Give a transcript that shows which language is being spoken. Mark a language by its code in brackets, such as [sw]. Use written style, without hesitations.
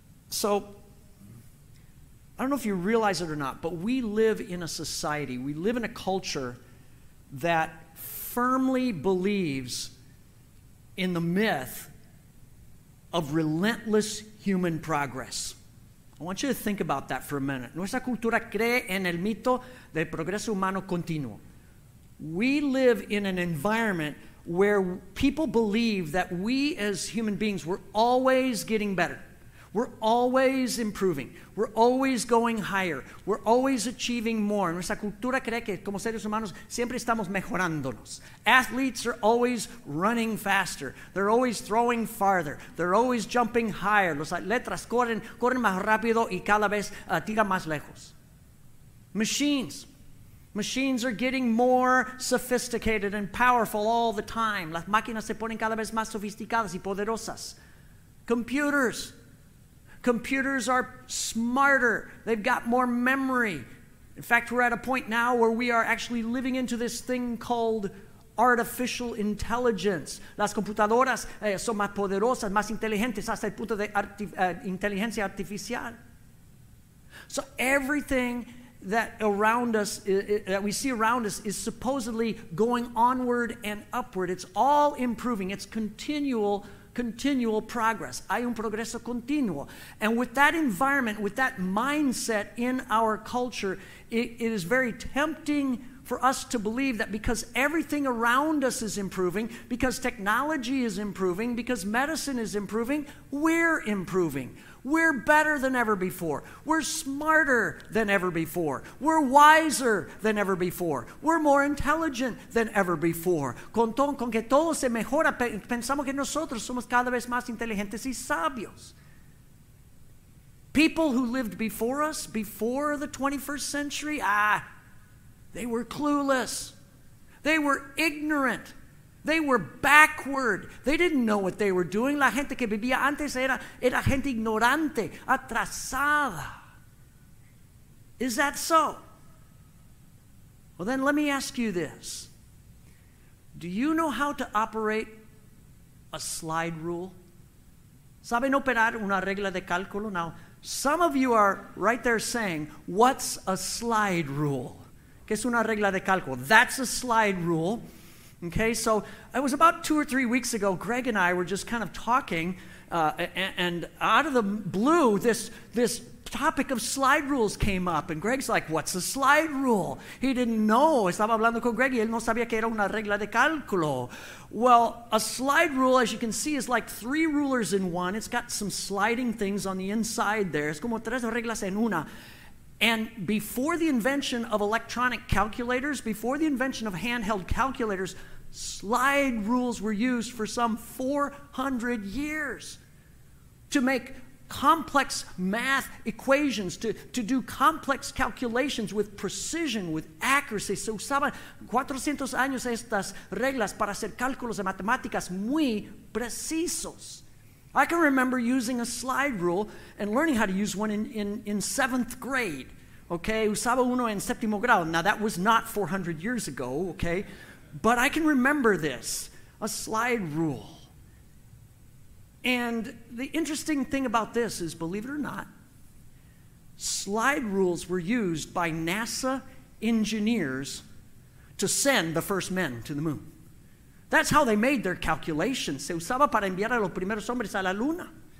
[en] So, I don't know if you realize it or not, but we live in a society, we live in a culture that firmly believes in the myth of relentless human progress. I want you to think about that for a minute. [es] Nuestra cultura cree en el mito del progreso humano continuo. [en] We live in an environment where people believe that we as human beings, we're always getting better. We're always improving. We're always going higher. We're always achieving more. [es] Nuestra cultura cree que como seres humanos siempre estamos mejorándonos. [en] Athletes are always running faster. They're always throwing farther. They're always jumping higher. [es] Los atletas corren más rápido y cada vez tiran más lejos. [en] Machines are getting more sophisticated and powerful all the time. [es] Las máquinas se ponen cada vez más sofisticadas y poderosas. [en] Computers are smarter. They've got more memory. In fact, we're at a point now where we are actually living into this thing called artificial intelligence. [es] Las computadoras son más poderosas, más inteligentes, hasta el punto de inteligencia artificial. [en] So everything that we see around us is supposedly going onward and upward. It's all improving. It's continual progress. [es] Hay un progreso continuo. [en] And with that environment, with that mindset in our culture, it is very tempting for us to believe that because everything around us is improving, because technology is improving, because medicine is improving, we're improving. We're better than ever before. We're smarter than ever before. We're wiser than ever before. We're more intelligent than ever before. [es] Con que todo se mejora, pensamos que nosotros somos cada vez más inteligentes y sabios. [en] People who lived before us, before the 21st century, they were clueless. They were ignorant. They were backward. They didn't know what they were doing. [es] La gente que vivía antes era gente ignorante, atrasada. [en] Is that so? Well, then let me ask you this. Do you know how to operate a slide rule? [es] ¿Saben operar una regla de cálculo? [en] Now, some of you are right there saying, what's a slide rule? [es] ¿Qué es una regla de cálculo? [en] That's a slide rule. Okay, so it was about 2 or 3 weeks ago, Greg and I were just kind of talking, and out of the blue, this topic of slide rules came up, and Greg's like, what's a slide rule? He didn't know. [es] Estaba hablando con Greg y él no sabía que era una regla de cálculo. [en] Well, a slide rule, as you can see, is like three rulers in one. It's got some sliding things on the inside there. [es] Es como tres reglas en una. [en] And before the invention of electronic calculators, before the invention of handheld calculators, slide rules were used for some 400 years to make complex math equations, to do complex calculations with precision, with accuracy. [es] Se usaban 400 años estas reglas para hacer cálculos de matemáticas muy precisos. [en] I can remember using a slide rule and learning how to use one in seventh grade. [es] Okay, usaba uno en séptimo grado. [en] Now, that was not 400 years ago, okay? But I can remember this, a slide rule. And the interesting thing about this is, believe it or not, slide rules were used by NASA engineers to send the first men to the moon. That's how they made their calculations. [es] Se usaba para enviar a los primeros hombres a la luna.